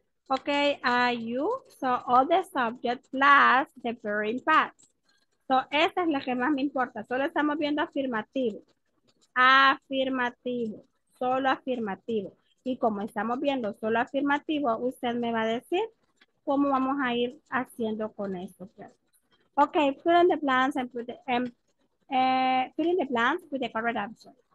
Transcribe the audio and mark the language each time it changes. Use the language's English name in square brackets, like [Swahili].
[English] Okay, you, so all the subjects plus the verb past. [Spanish] So, esta es la que más me importa. Solo estamos viendo afirmativo. Afirmativo. Solo afirmativo. Y como estamos viendo solo afirmativo, usted me va a decir cómo vamos a ir haciendo con esto. [English] Okay, fill in the blanks with the correct answer.